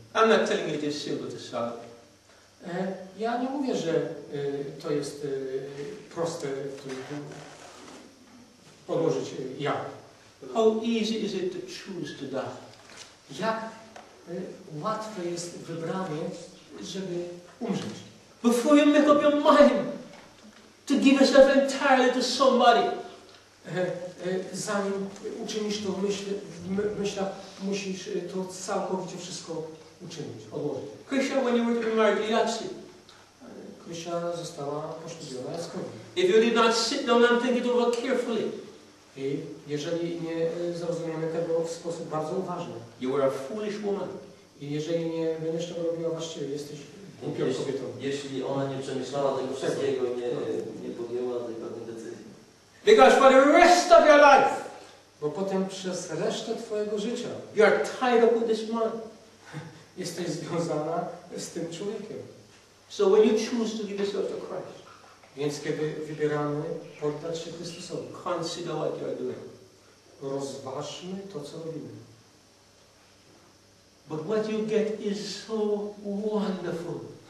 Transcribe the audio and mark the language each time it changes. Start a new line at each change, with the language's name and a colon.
English: I'm not telling you it is simple to solve.
Polish: Ja nie mówię, że to jest proste podłożyć ja.
English: How easy is it to choose to die?
Polish: Jak łatwe jest wybranie, żeby umrzeć?
English: Before you make up your mind to give yourself entirely to somebody.
Polish: Zanim uczynisz to myślach, musisz to całkowicie wszystko uczynić, odłożyć.
English: Krysia, when you were to be married, you actually...
Polish: Krysia została poślubiona Jackowi.
English: If you did not sit down and think it over carefully.
Polish: I jeżeli nie zrozumiemy tego w sposób bardzo uważny.
English: You are a foolish woman.
Polish: I jeżeli nie będziesz tego robiła właściwie, jesteś głupią kobietą. Jeśli ona nie przemyślała tego wszystkiego, nie podjęła tej pewnej decyzji.
English: Because for the rest of your life.
Polish: Bo potem przez resztę twojego życia.
English: You are tied up with this man.
Polish: Jesteś związana z tym człowiekiem.
English: So when you choose to give yourself to Christ.
Polish: Więc kiedy wybieramy poddać się Chrystusowi,
English: consider what you are doing.
Polish: Rozważmy to, co robimy.
English: But what you get is so wonderful.